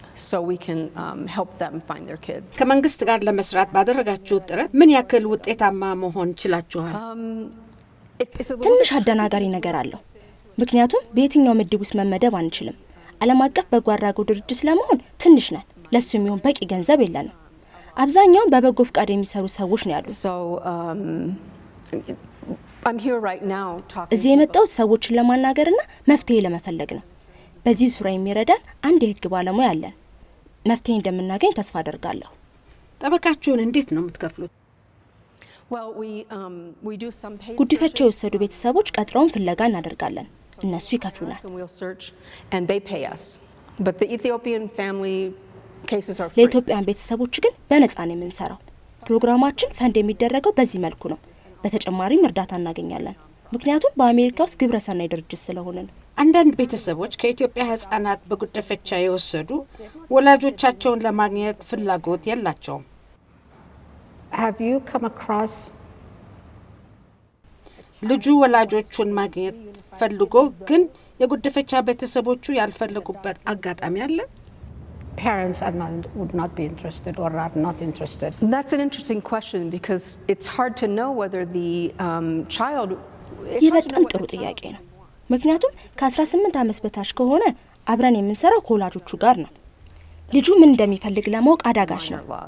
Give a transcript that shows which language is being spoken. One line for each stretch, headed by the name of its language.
English: So we can help them find their kids.
Amharic: ከመንግስት ጋር ለመስራት ባደረጋችሁ ጥረት ምን ያክል ውጤታማ መሆን ይችላችኋል? ትንሽ አደናጋሪ ነገር አለው። ምክንያቱም በየትኛው ምድብ ውስጥ መመደብ አንችልም። ዓለም አቀፍ በጎ አድራጎት ድርጅት ለመሆን ትንሽ ነን። ለሱ የሚሆን በቂ ገንዘብ የለንም። አብዛኛውን በበጎ ፍቃድ የሚሰሩ ሰዎች ነው ያሉት።
English: So I'm here right now talking.
Amharic: እዚህ የመጣው ሰዎችን ለማናገርና መፍትሄ ለመፈለግ ነው። በዚህ ሱራ የሚረዳን አንድ የህግ ባለሙያ አለ። መፍትሄ እንደምናገኝ ተስፋ አደርጋለሁ። ጠበቃችሁን እንዴት ነው የምትከፍሉት?
English: Well we do some paid.
Amharic: ጉድፈቻ የወሰዱ ቤተሰቦች ቀጥረውን ፍለጋ እናደርጋለን። እነሱ ይከፍሉናል።
English: So we'll search and they pay us. But the Ethiopian family cases are free.
Amharic: ለኢትዮጵያን ቤተሰቦች ግን በነጻ ነው የምንሰራው። ፕሮግራማችን ፈንድ የሚደረገው በዚህ መልኩ ነው። በተጨማሪ ምርዳታ እናገኛለን። ምክንያቱም በአሜሪካ ውስጥ ግብረሰናይ ድርጅት ስለሆነ አንዳንድ ቤተሰቦች ከኢትዮጵያ ህፃናት በጉድፈቻ የወሰዱ ወላጆቻቸውን ለማግኘት ፍላጎት የላቸውም።
English: Have you come across
Amharic: ልጁ ወላጆቹን ማግኘት ፈልጎ ግን የጉድፈቻ ቤተሰቦቹ ያልፈልጉበት አጋጣሚ አለ?
English: Parents would not be interested or are not interested. That's an interesting question because it's hard to know whether the child
Amharic: ይበጣም ጥሩ ጥያቄ ነው። ምክንያቱም ከ18 አመት በታች ከሆነ አብራን የምንሰራው ኮላጆቹ ጋር ነው። ልጁ ምን እንደሚፈልግ ለማወቅ አዳጋች ነው።